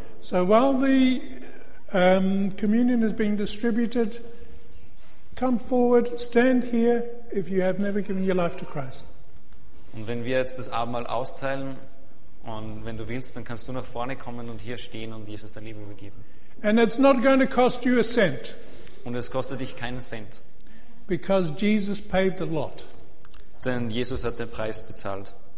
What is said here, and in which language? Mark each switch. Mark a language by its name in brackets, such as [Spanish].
[English] So while the communion is being distributed, come forward, stand here if you have never given your life to Christ. [German] Und wenn wir jetzt das Abendmahl austeilen, und wenn du willst, dann kannst du nach vorne kommen und hier stehen und Jesus dein Leben übergeben. [English] And it's not going to cost you a cent. [German] Und es kostet dich keinen Cent. [English] Because Jesus paid the lot. [German] Denn Jesus hat den Preis bezahlt.